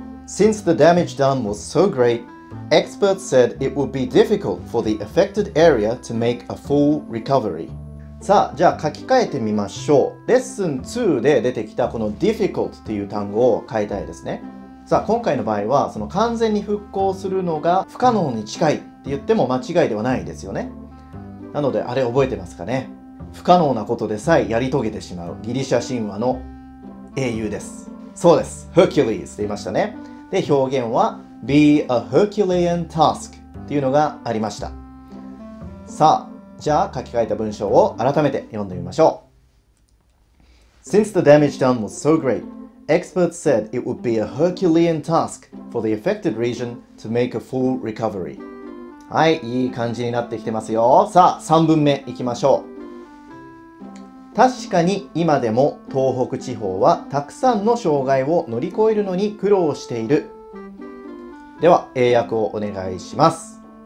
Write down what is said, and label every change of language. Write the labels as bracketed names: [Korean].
[English] Since the damage done was so greatExperts said it would be difficult for the affected area to make a full recovery. [Japanese] さあ、じゃあ書き換えてみましょう。レッスン2で出てきたこの difficult っていう単語を変えたいですね。さあ、今回の場合はその完全に復興するのが不可能に近いって言っても間違いではないですよね。なので、あれ覚えてますかね。不可能なことでさえやり遂げてしまうギリシャ神話の英雄です。そうです。Hercules って言いましたね。で、表現は [English] Be a Herculean task [Japanese] っていうのがありました。さあ、じゃあ書き換えた文章を改めて読んでみましょう。 [English] Since the damage done was so great, experts said it would be a Herculean task for the affected region to make a full recovery. [Japanese] はい、いい感じになってきてますよ。さあ、3文目いきましょう。確かに今でも東北地方はたくさんの障害を乗り越えるのに苦労している。では英訳をお願いします。